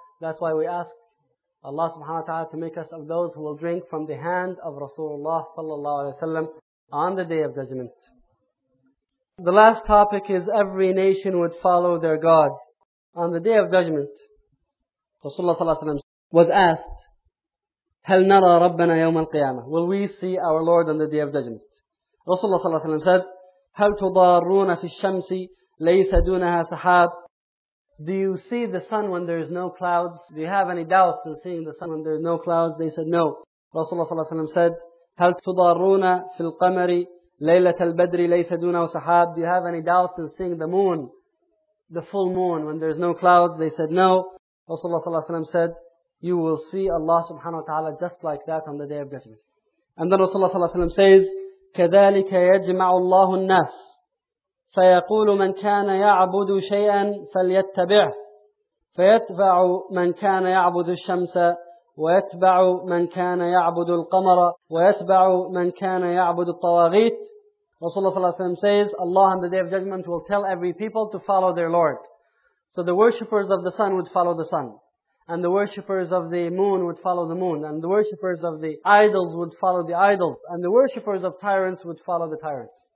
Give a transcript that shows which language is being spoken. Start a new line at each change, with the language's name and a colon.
English: That's why we ask Allah subhanahu wa ta'ala to make us of those who will drink from the hand of Rasulullah sallallahu alayhi wa sallam on the Day of Judgment. The last topic is every nation would follow their God. On the Day of Judgment, Rasulullah sallallahu alayhi wa sallam was asked,
Arabic: هَلْ نَرَى رَبَّنَا يَوْمَ الْقِيَامَةِ.
English: Will we see our Lord on the Day of Judgment? Rasulullah sallallahu alayhi wa sallam said,
Arabic: هَلْ تُضَارُونَ فِي الشَّمْسِ لَيْسَ دُونَهَا سَحَابٍ.
English: Do you see the sun when there is no clouds? Do you have any doubts in seeing the sun when there is no clouds? They said, no. Rasulullah sallallahu alayhi wa sallam said,
Arabic: هَلْ تُضَارُونَ فِي الْقَمَرِ لَيْلَةَ الْبَدْرِ لَيْسَ دُونَهُ سَحَابٍ.
English: Do you have any doubts in seeing the moon, the full moon, when there is no clouds? They said, no. Rasulullah sallallahu alayhi wa sallam said, you will see Allah subhanahu wa ta'ala just like that on the Day of Judgment.
Arabic: And then Rasulullah sallallahu alayhi wa sallam says, كَذَلِكَ يَجْمَعُ اللَّهُ النَّاسِ فَيَقُولُ مَنْ كَانَ يَعْبُدُ شَيْئًا فَلْيَتَّبِعْهُ فَيَتْبَعُ مَنْ كَانَ يَعْبُدُ الشَّمْسَ وَيَتْبَعُ مَنْ كَانَ يَعْبُدُ الْقَمَرَ وَيَتْبَعُ مَنْ كَانَ يَعْبُدُ الطَّوَاغِيتَ.
English: Rasulullah sallallahu alayhi wa sallam says, Allah on the Day of Judgment will tell every people to follow their Lord. So the worshippers of the sun would follow the sun. And the worshippers of the moon would follow the moon. And the worshippers of the idols would follow the idols. And the worshippers of tyrants would follow the tyrants.